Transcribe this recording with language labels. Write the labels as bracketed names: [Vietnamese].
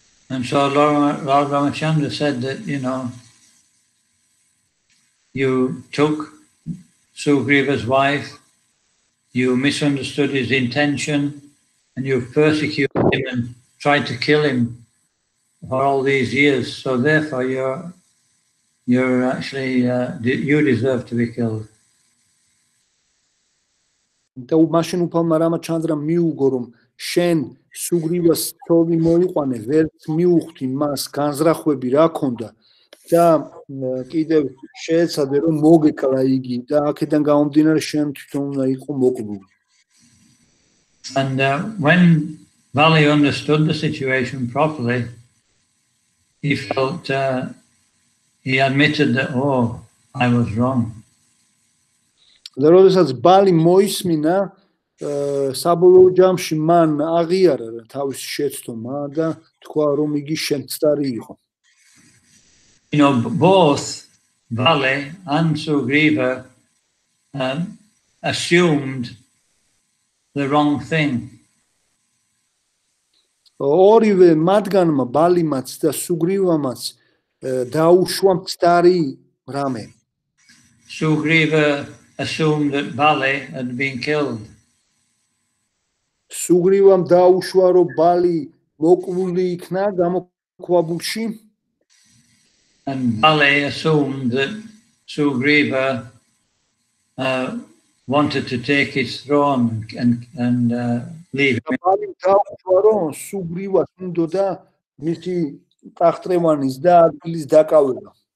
[English] And so Lord Ramachandra said that, you know, you took Sugriva's wife, you misunderstood his intention, and you persecuted him and tried to kill him for all these years, so therefore you're actually you deserve to be killed. [Georgian] Და მაშინ უფალმა რამაჩანდრამ მიუგო, რომ შენ სუგრივას თოვი მოიყვანე, ვერც მიუხვდი მას განზრახვები რა ქონდა და კიდევ შეეცადე, რომ მოგეკლა იგი და აქედან გამომდინარე შენ თვითონ უნდა იყო მოკლული. [English] And when Bali understood the situation properly, he felt, he admitted that, oh, I was wrong. The Lord says, Bali moismina, [Georgian] საბოლოო ჯამში მან აღიარა თავის შეცდომა და თქვა რომ იგი შემცდარი იყო. [English] You know, both Vale and Sugriva assumed the wrong thing. [Georgian] ორივე მათგანმა, ბალიმაც და სუგრივამაც დაუშვა მცდარი რამე. [English] Sugriva assumed that Vale had been killed. [Georgian] Sugrivam დაუშვა რომ ბალი მოკვული იქნა გამოქვაბულში. [English] And Vale assumed that Sugriva wanted to take his throne and leave. [Georgian] Ბალი დაუშვა რომ სუგრივას უნდოდა მისი ტახტრევანის და ადგილის დაკავება.